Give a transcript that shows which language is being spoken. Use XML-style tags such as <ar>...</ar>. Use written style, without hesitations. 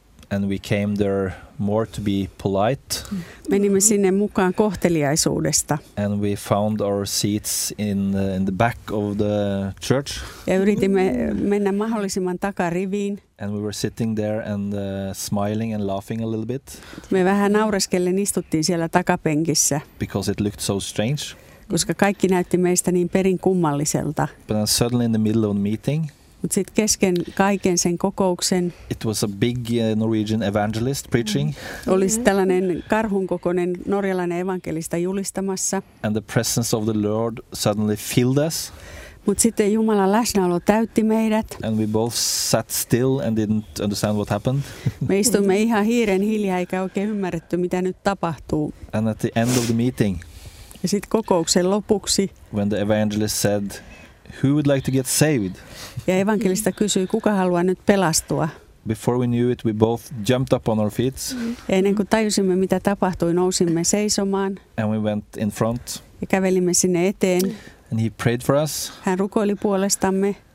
<en>And we came there more to be polite.</en> <fi>Menimme sinne mukaan kohteliaisuudesta.</fi> <en>And we found our seats in the back of the church.</en> <fi>Ja yritimme mennä mahdollisimman takariviin.</fi> <en>And we were sitting there and smiling and laughing a little bit.</en> <fi>Me vähän naureskellen istuttiin siellä takapenkissä.</fi> <en>Because it looked so strange.</en> <fi>Koska kaikki näytti meistä niin perin kummalliselta.</fi> <en>But then suddenly in the middle of the meeting.</en> <fi>Mutta sitten kesken kaiken sen kokouksen.</fi> <en>It was a big Norwegian evangelist preaching.</en> <fi>Olisi tällainen karhunkokoinen norjalainen evankelista julistamassa.</fi> <en>And the presence of the Lord suddenly filled us.</en> <fi>Mutta sitten Jumalan läsnäolo täytti meidät.</fi> <en>And we both sat still and didn't understand what happened.</en> <fi>Me istuimme ihan hiiren hiljaa eikä oikein ymmärretty mitä nyt tapahtuu.</fi> <en>And at the end of the meeting.</en> <fi>Ja sitten kokouksen lopuksi.</fi> <en>When the evangelist said, who would like to get saved?</en> <fi>Ja evankelista kysyi, kuka haluaa nyt pelastua?</fi> <en>Before we knew it, we both jumped up on our feet.</en> <fi>Ja ennen kuin tajusimme, mitä tapahtui, nousimme seisomaan.</fi> <en>And we went in front.</en> <fi>Ja kävelimme sinne eteen.</fi> <en>And he prayed for us.</en> <fi>Hän rukoili puolestamme.</fi>